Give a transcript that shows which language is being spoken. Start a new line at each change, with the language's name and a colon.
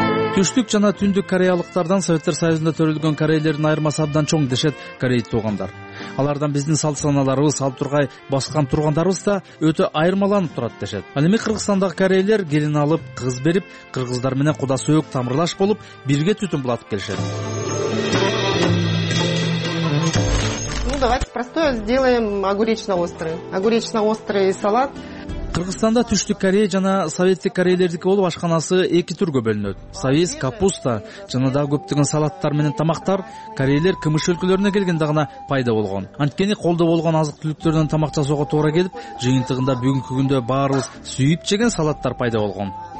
Kyrgyz: Түштүк жана түндүк кореялыктардан Советтер Союзунда төрөлгөн кореелердин айырмасы абдан чоң дешет корей туугандар. Алардан биздин салт-санааларыбыз, салтургай баскан тургандарыбыз да өтө айырмаланып турат дешет. Ал эми Кыргызстандагы кореелер келин алып, кыз берип, кыргыздар менен куда сөөк тамырлаш болуп, бирге түтүн булатып келишет.
Russian: Давайте простое сделаем огуречно-острый. Огуречно-острый салат.
Kyrgyz: Кыргызстанда Түштүк Корея жана Советтик Кореялардыкы болуп ашканасы эки түргө бөлүнөт. Савис, капуста жана дагы көптөгөн салаттар менен тамактар кореялар КМШ өлкөлөрүнө келгенде гана пайда болгон. Анткени колдо болгон азык-түлүктөрдөн тамак жасоого туура келип, жыйынтыгында бүгүнкү күндө баарыбыз сүйүп жеген салаттар пайда болгон.